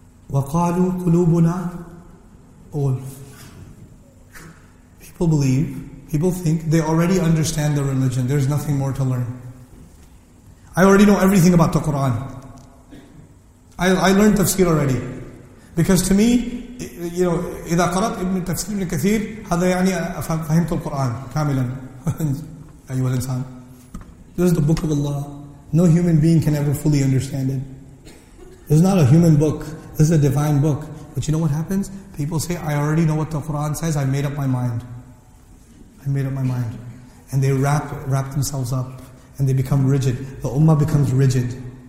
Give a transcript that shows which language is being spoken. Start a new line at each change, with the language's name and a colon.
Arabic: وَقَالُوا قُلُوبُنَا أُولْفٍ.
English: People believe, people think they already understand the religion. There's nothing more to learn. I already know everything about the Quran. I learned tafsir already. Because to me, you know,
Arabic: إذا قرأت ابن تفسير ابن كثير هذا يعني فهمت القرآن كاملا أيها الإنسان.
English: This is the book of Allah. No human being can ever fully understand it. This is not a human book. This is a divine book. But you know what happens? People say, I already know what the Quran says. I made up my mind. I made up my mind. And they wrap themselves up. And they become rigid. The ummah becomes rigid.